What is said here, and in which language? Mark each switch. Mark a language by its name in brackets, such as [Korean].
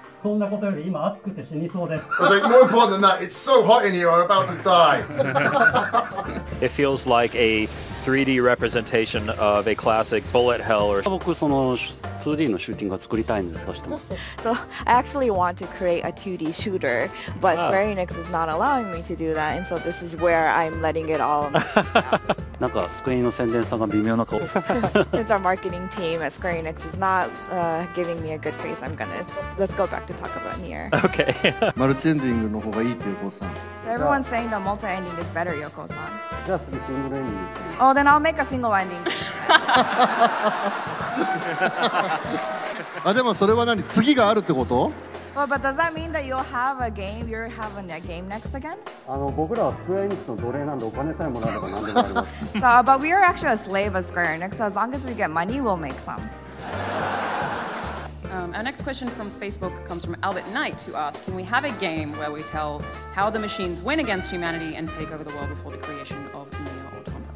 [Japanese] そんなことより今暑くて死にそうです。 [English] I was like, more important than that, it's so hot in here, I'm about to die. It feels like a 3D representation of a classic bullet hell or... [Japanese] 僕その... 2D のシューティングを作りたいんですとしてます。 [English] So, I actually want to create a 2D shooter, but Square Enix is not allowing me to do that, and so this is where I'm letting it all out. [Japanese] なんか、Square Enixの宣伝さんが微妙な顔。 [English] Since our marketing team at Square Enix is not giving me a good face, I'm gonna... Let's go back to talk about Nier. Okay. [Japanese] マルチエンディングの方がいいって、ヨコさん。 [English] So everyone's saying the multi-ending is better, Yoko-san. Just the single ending. Oh, then I'll make a single ending. [Japanese] あ、でもそれは何？次があるってこと？ [English] Well, but does that mean that you'll have a game? You're having a game next again? [Japanese] 僕らはスクエアエニックスの奴隷なんで、お金さえもらえれば何でもあります。 [English] So, but we are actually a slave of Square Enix. So as long as we get money, we'll make some. Our next question from Facebook comes from Albert Knight, who asks, can we have a game where we tell how the machines win against humanity and take over the world before the creation of Neo Automata?